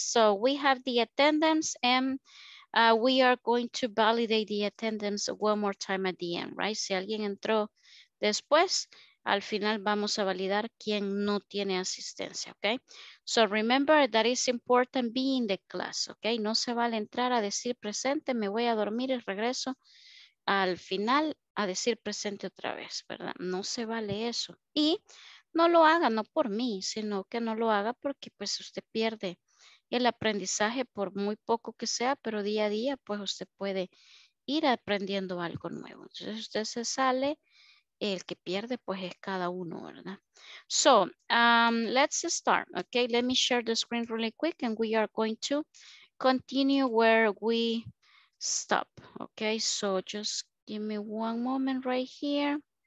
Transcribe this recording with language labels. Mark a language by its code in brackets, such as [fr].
[en] So we have the attendance and we are going to validate the attendance one more time at the end, right? [es] Si alguien entró después, al final vamos a validar quien no tiene asistencia, okay? [en] So remember that is important being the class, okay? [es] No se vale entrar a decir presente, me voy a dormir y regreso al final a decir presente otra vez, ¿verdad? No se vale eso. Y no lo haga, no por mí, sino que no lo haga porque pues usted pierde el aprendizaje por muy poco que sea, pero día a día pues usted puede ir aprendiendo algo nuevo. Entonces usted se sale, el que pierde pues es cada uno, ¿verdad? [en] So, let's start, okay? Let me share the screen really quick and we are going to continue where we stop, okay? So just give me one moment right here.